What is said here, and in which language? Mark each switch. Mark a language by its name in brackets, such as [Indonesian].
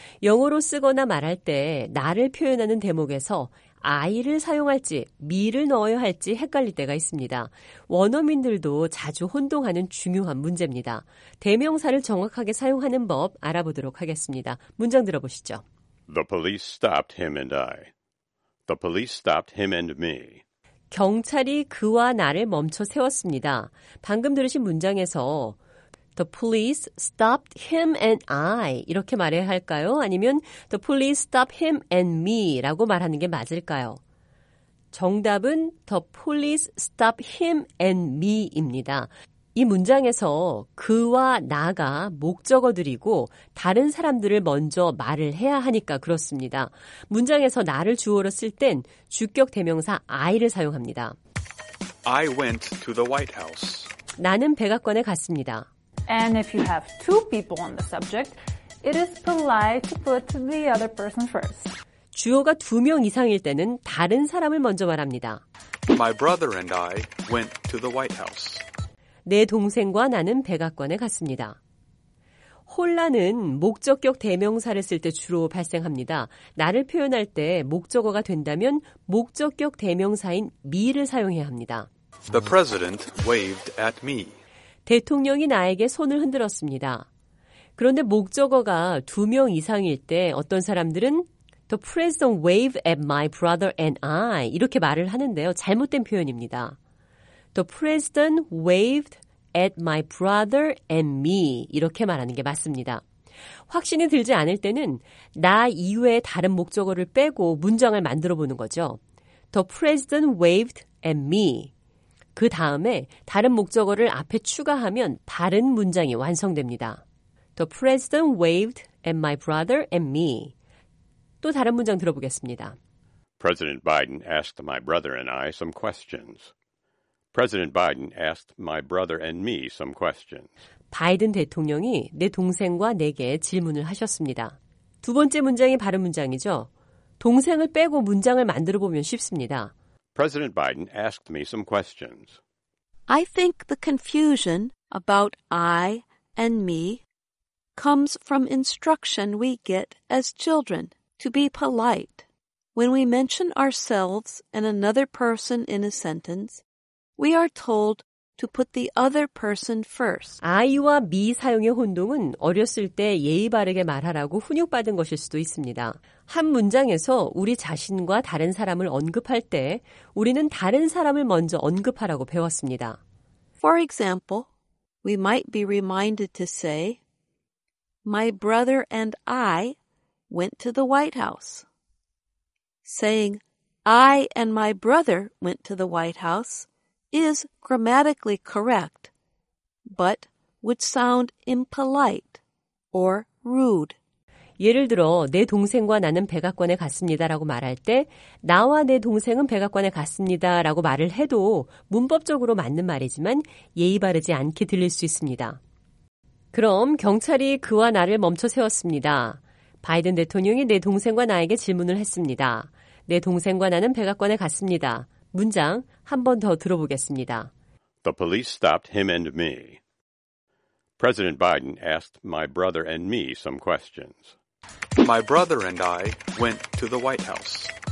[Korean] 영어로 쓰거나 말할 때 나를 표현하는 대목에서 I를 사용할지 me를 넣어야 할지 헷갈릴 때가 있습니다. 원어민들도 자주 혼동하는 중요한 문제입니다. 대명사를 정확하게 사용하는 법 알아보도록 하겠습니다. 문장 들어보시죠. [English] The police stopped him and I. The police stopped him and me. [Korean] 경찰이 그와 나를 멈춰 세웠습니다. 방금 들으신 문장에서 [English] The police stopped him and I [Korean] 이렇게 말해야 할까요? 아니면 [English] The police stopped him and me [Korean] 라고 말하는 게 맞을까요? 정답은 [English] The police stopped him and me [Korean] 입니다. 이 문장에서 그와 나가 목적어들이고 다른 사람들을 먼저 말을 해야 하니까 그렇습니다. 문장에서 나를 주어로 쓸 땐 주격 대명사 I를 사용합니다. [English] I went to the White House. [Korean] 나는 백악관에 갔습니다. [English] And if you have two people on the subject, it is polite to put the other person first. [Korean] 주어가 두 명 이상일 때는 다른 사람을 먼저 말합니다. [English] My brother and I went to the White House. [Korean] 내 동생과 나는 백악관에 갔습니다. 혼란은 목적격 대명사를 쓸 때 주로 발생합니다. 나를 표현할 때 목적어가 된다면 목적격 대명사인 me를 사용해야 합니다. [English] The president waved at me. [Korean] 대통령이 나에게 손을 흔들었습니다. 그런데 목적어가 두 명 이상일 때 어떤 사람들은 [English] The president waved at my brother and I [Korean] 이렇게 말을 하는데요. 잘못된 표현입니다. [English] The president waved at my brother and me. [Korean] 이렇게 말하는 게 맞습니다. 확신이 들지 않을 때는 나 이외에 다른 목적어를 빼고 문장을 만들어 보는 거죠. [English] The president waved at me. [Korean] 그 다음에 다른 목적어를 앞에 추가하면 다른 문장이 완성됩니다. [English] The president waved at my brother and me. [Korean] 또 다른 문장 들어보겠습니다. [English] President Biden asked my brother and I some questions. President Biden asked my brother and me some questions. [Korean] 바이든 대통령이 내 동생과 내게 질문을 하셨습니다. 두 번째 문장이 바른 문장이죠. 동생을 빼고 문장을 만들어 보면 쉽습니다. [English] President Biden asked me some questions. I think the confusion about I and me comes from instruction we get as children to be polite. When we mention ourselves and another person in a sentence, We are told to put the other person first. [Korean] I와 me 사용의 혼동은 어렸을 때 예의 바르게 말하라고 훈육받은 것일 수도 있습니다. 한 문장에서 우리 자신과 다른 사람을 언급할 때 우리는 다른 사람을 먼저 언급하라고 배웠습니다. [English] For example, we might be reminded to say, My brother and I went to the White House. Saying, I and my brother went to the White House. is grammatically correct, but would sound impolite or rude. [Korean] 예를 들어, 내 동생과 나는 백악관에 갔습니다라고 말할 때, 나와 내 동생은 백악관에 갔습니다라고 말을 해도 문법적으로 맞는 말이지만 예의 바르지 않게 들릴 수 있습니다. 그럼 경찰이 그와 나를 멈춰 세웠습니다. 바이든 대통령이 내 동생과 나에게 질문을 했습니다. 내 동생과 나는 백악관에 갔습니다. 문장 한 번 더 들어보겠습니다. [English] The police stopped him and me. President Biden asked my brother and me some questions. My brother and I went to the White House.